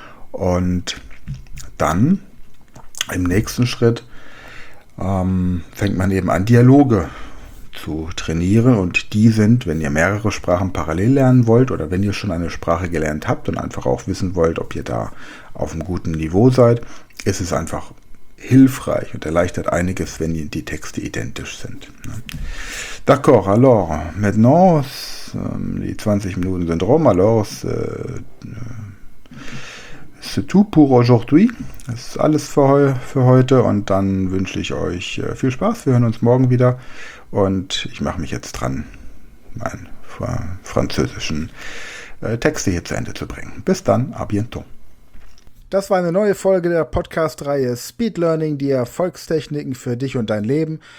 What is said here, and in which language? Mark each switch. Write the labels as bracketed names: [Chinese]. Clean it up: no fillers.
[German] Und dann im nächsten Schritt fängt man eben an, Dialoge zu trainieren. Und die sind, wenn ihr mehrere Sprachen parallel lernen wollt oder wenn ihr schon eine Sprache gelernt habt und einfach auch wissen wollt, ob ihr da auf einem guten Niveau seid, ist es einfach hilfreich und erleichtert einiges, wenn die Texte identisch sind. [French] D'accord, alors, maintenant, [German] die 20 Minuten sind rum, [French] alors, c'est tout pour aujourd'hui. [German] Das ist alles für heute und dann wünsche ich euch viel Spaß. Wir hören uns morgen wieder und ich mache mich jetzt dran, meine französischen Texte hier zu Ende zu bringen. Bis dann, [French] à bientôt. [German] Das war eine neue Folge der Podcast-Reihe Speed Learning, die Erfolgstechniken für dich und dein Leben.